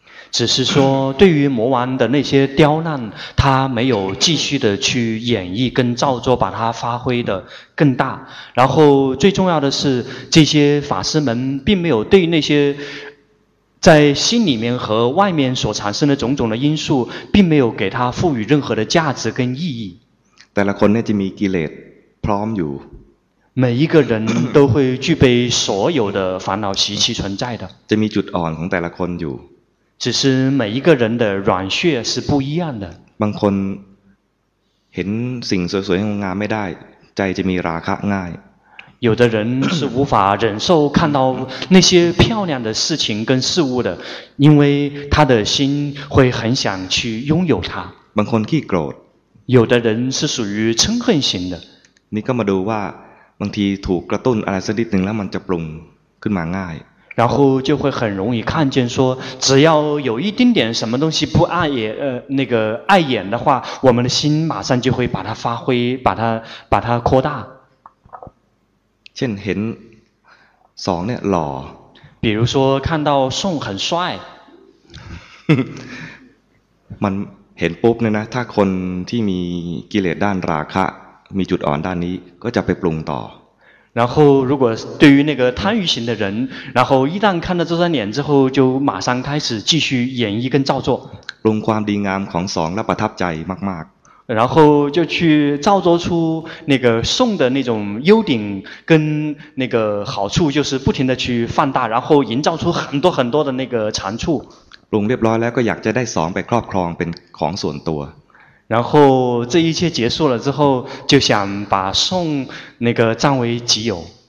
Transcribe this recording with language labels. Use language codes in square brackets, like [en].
[zh] 只是说对于魔王的那些刁难，他没有继续的去演绎跟照做，把它发挥的更大。然后最重要的是，这些法师们并没有对那些在心里面和外面所产生的种种的因素，并没有给他赋予任何的价值跟意义。 [th] แต่ละคนเนี่ยจะมีกิเลสพร้อมอยู่。 [zh] 每一个人都会具备所有的烦恼习气存在的。 [th] จะมีจุดอ่อนของแต่ละคนอยู่。 [zh] 只是每一个人的软穴是不一样的。 [th] บางคนเห็นสิ่งสวยๆงามไม่ได้ใจจะมีราคะง่าย。 [zh] 有的人是无法忍受看到那些漂亮的事情跟事物的，因为他的心会很想去拥有它。 [th] บางคนขี้โกรธ。 [zh] 有的人是属于嗔恨型的。 [th] นี่ก็มาดูว่าบางทีถูกกระตุ้นอะไรสักนิดนึงแล้วมันจะปรุงขึ้นมาง่าย。 [zh] 然后就会很容易看见说，只要有一丁点什么东西不碍眼，那个碍眼的话，我们的心马上就会把它发挥，把它扩大。见很爽呢，老。比如说看到宋很帅。 [th] มันเห็นปุ๊บเนี่ยนะถ้าคนที่มีกิเลสด้านราคะมีจุดอ่อนด้านนี้ก็จะไปปรุงต่อ [zh] 然后如果对于那个贪欲型的人，然后一旦看到这张脸之后，就马上开始继续演绎跟照做。 [th] ลงความดีงามของสองและประทับใจมาก [zh] ๆ然后就去照做出那个送的那种优点跟那个好处，就是不停的去放大，然后营造出很多很多的那个长处。 [th] ลงเรียบร้อยแล้วก็อยากจะได้สองไปครอบครองเป็นของส่วนตัว。 [zh] 然后这一切结束了之后，就想把宋那个占为己有。